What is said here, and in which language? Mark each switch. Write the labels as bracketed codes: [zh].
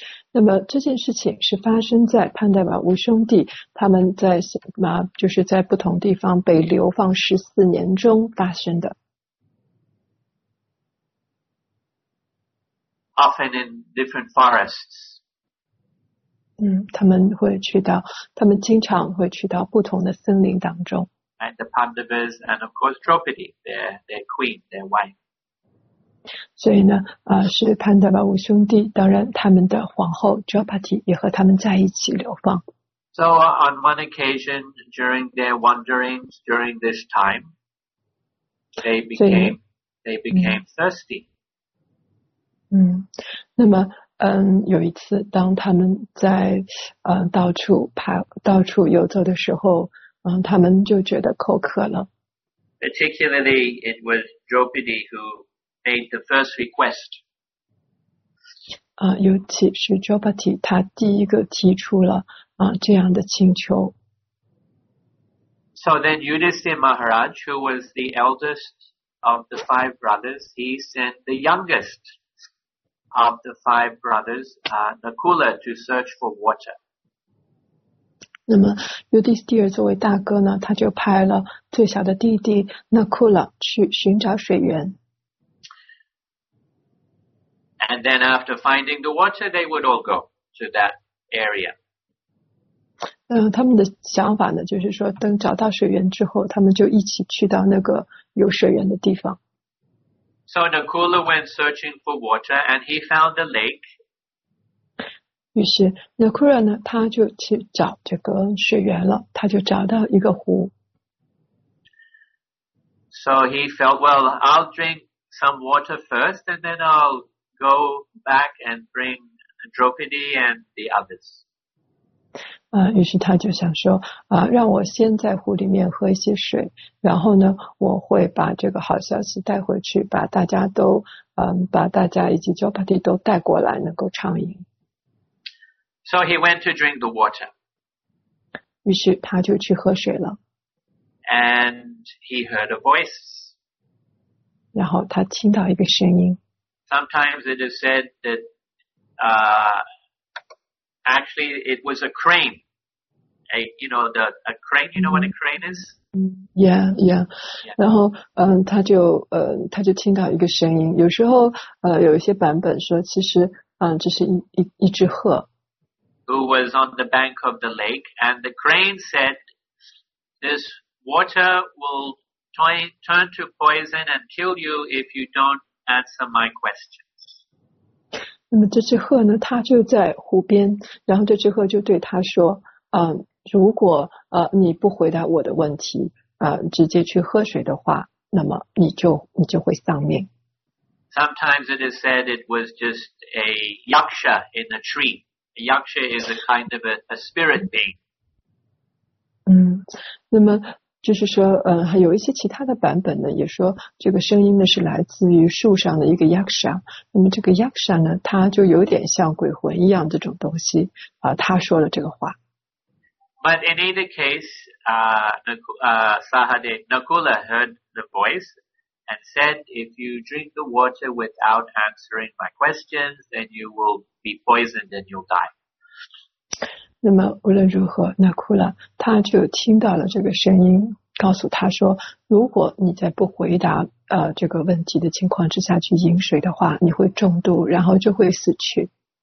[zh] 那么这件事情是发生在潘代瓦五兄弟他们在就是在不同地方被流放14年中发生的。 [en] Often in different forests. [zh] 他们会去到他们经常会去到不同的森林当中。 [en] And the Pandavas, and of course Draupadi, their queen, their wife. [zh] 所以呢，是潘达瓦五兄弟，当然他们的皇后 Draupadi 也和他们在一起流放。 [en] So on one occasion during their wanderings during this time, they became thirsty. [zh] 那么有一次当他们在到处游走的时候。他们就觉得口渴了。 [en] Particularly, it was Draupadi who made the first request. [zh] 尤其是 Draupadi, 他第一个提出了这样的请求。 [en] So then Yudhisthira Maharaj, who was the eldest of the five brothers, he sent the youngest of the five brothers, Nakula, to search for water. [zh] 那么 Yudhisthira 作为大哥呢他就派了最小的弟弟 Nakula 去寻找水源。 [en] And then after finding the water, they would all go to that area. [zh] 他们的想法呢，就是说等找到水源之后，他们就一起去到那个有水源的地方。 [en] So Nakula went searching for water and he found a lake. [zh] 于是 Nakula 呢，他就去找这个水源了，他就找到一个湖。 [en] So he felt, well, I'll drink some water first and then I'll go back and bring Draupadi and the others. [zh] 于是他就想说让我先在湖里面喝一些水，然后呢我会把这个好消息带回去，把大家都把大家以及 Draupadi 都带过来能够畅饮。 [en] So he went to drink the water. [zh] 于是他就去喝水了。 [en] And he heard a voice. [zh] 然后他听到一个声音。 [en] Sometimes it is said that, actually it was a crane. A crane, you know what a crane is? Yeah. [zh] 然后他就听到一个声音。有时候有一些版本说其实这是一只鹤。 [en] Who was on the bank of the lake, and the crane said this,Water will turn to poison and kill you if you don't answer my questions. [zh] 那么这只鹤呢，它就在湖边，然后这只鹤就对它说，如果你不回答我的问题，直接去喝水的话，那么你就会丧命。 [en] Sometimes it is said it was just a yaksha in a tree. A yaksha is a kind of a spirit being. [zh] 那么就是说还有一些其他的版本呢，也说这个声音呢是来自于树上的一个 Yaksha。那么这个 Yaksha 呢，它就有点像鬼魂一样这种东西它说了这个话。 [en] But in either case Sahadev Nakula heard the voice and said if you drink the water without answering my questions then you will be poisoned and you'll die。 [zh] 那么无论如何，那库拉他就听到了这个声音，告诉他说：“如果你在不回答这个问题的情况之下去饮水的话，你会中毒，然后就会死去。”